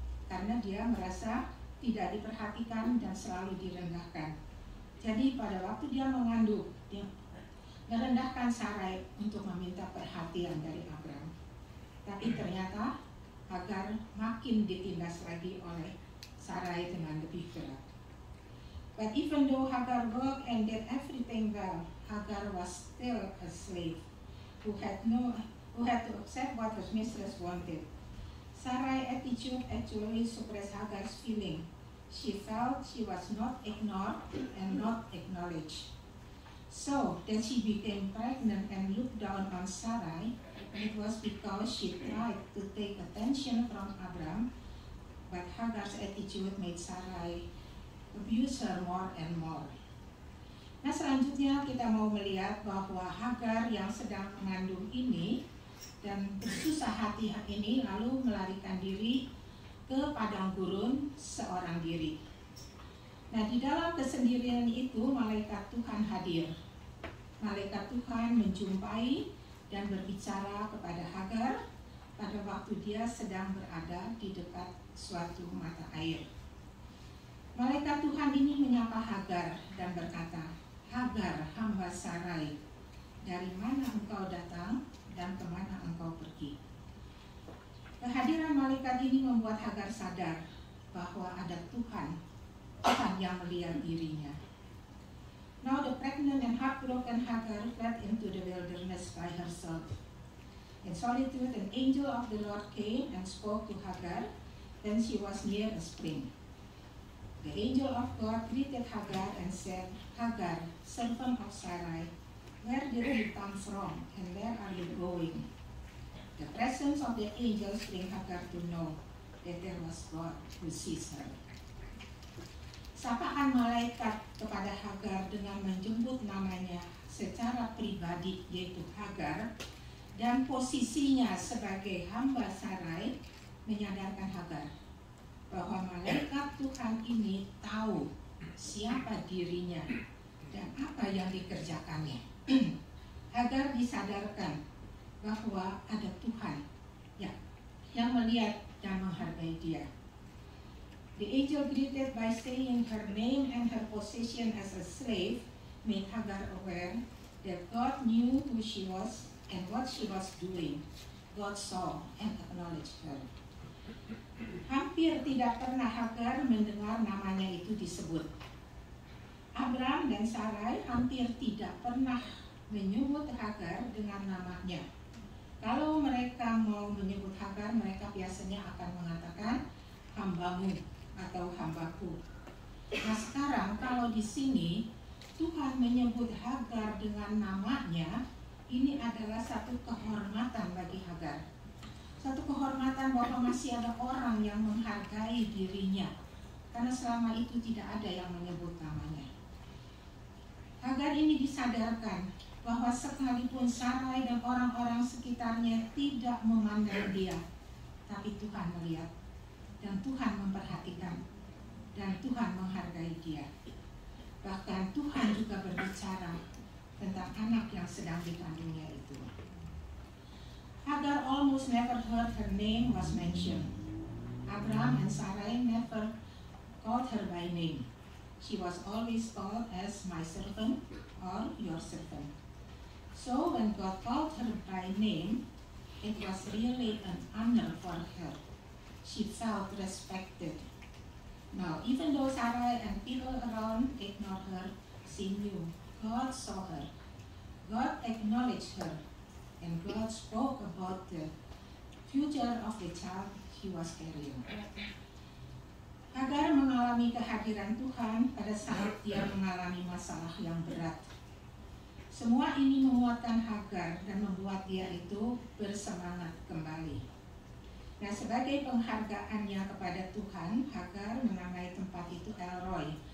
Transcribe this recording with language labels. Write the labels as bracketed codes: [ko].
[id] Karena dia merasa tidak diperhatikan dan selalu direndahkan. Jadi pada waktu dia mengandung, dia merendahkan Sarai untuk meminta perhatian dari Abram. Tapi ternyata Hagar makin ditindas lagi oleh Sarai dengan lebih berat. [en] But even though Hagar worked and did everything well, Hagar was still a slave who had to accept what her mistress wanted. Sarai's attitude actually suppressed Hagar's feeling. She felt she was not ignored and not acknowledged. So, then she became pregnant and looked down on Sarai, and it was because she tried to take attention from Abram, but Hagar's attitude made Sarai abuse her more and more. [id] Nah, selanjutnya kita mau melihat bahwa Hagar yang sedang mengandung ini dan bersusah hati ini lalu melarikan diri ke padang gurun seorang diri. Nah, di dalam kesendirian itu malaikat Tuhan hadir. Malaikat Tuhan menjumpai dan berbicara kepada Hagar pada waktu dia sedang berada di dekat suatu mata air. Malaikat Tuhan ini menyapa Hagar dan berkata, "Hagar, hamba Sarai, dari mana engkau datang dan kemana engkau pergi?" Kehadiran malaikat ini membuat Hagar sadar bahwa ada Tuhan, Tuhan yang melihat dirinya. [en] Now the pregnant and heartbroken Hagar fled into the wilderness by herself. In solitude, an angel of the Lord came and spoke to Hagar when she was near a spring. The angel of God greeted Hagar and said, "Hagar, servant of Sarai, where did you come from and where are you going?" The presence of the angels bring Hagar to know that there was God who sees her. [id] Sapaan malaikat kepada Hagar dengan menjemput namanya secara pribadi, yaitu Hagar, dan posisinya sebagai hamba Sarai, menyadarkan Hagar bahwa malaikat Tuhan ini tahu siapa dirinya dan apa yang dikerjakannya. Hagar disadarkan bahwa ada Tuhan ya, yang melihat dan menghargai dia. [en] The angel greeted by saying her name and her position as a slave made Hagar aware that God knew who she was and what she was doing. God saw and acknowledged her. [id] Hampir tidak pernah Hagar mendengar namanya itu disebut. Abraham dan Sarai hampir tidak pernah menyebut Hagar dengan namanya. Kalau mereka mau menyebut Hagar, mereka biasanya akan mengatakan hambamu atau hambaku. Nah sekarang kalau di sini Tuhan menyebut Hagar dengan namanya, ini adalah satu kehormatan bagi Hagar. Satu kehormatan bahwa masih ada orang yang menghargai dirinya, karena selama itu tidak ada yang menyebut namanya. Hagar ini disadarkan bahwa sekalipun Sarai dan orang-orang sekitarnya tidak memandang dia, tapi Tuhan melihat dan Tuhan memperhatikan dan Tuhan menghargai dia. Bahkan Tuhan juga berbicara tentang anak yang sedang dikandungnya itu. [en] Hagar almost never heard her name was mentioned. Abraham and Sarai never called her by name. She was always called as my servant or your servant. So when God called her by name, it was really an honor for her. She felt respected. Now, even though Sarai and people around ignored her, she knew God saw her. God acknowledged her, and God spoke about the future of the child she was carrying. [id] Hagar mengalami kehadiran Tuhan pada saat dia mengalami masalah yang berat. Semua ini menguatkan Hagar dan membuat dia itu bersemangat kembali. Nah, sebagai penghargaannya kepada Tuhan, Hagar menamai tempat itu El Roy.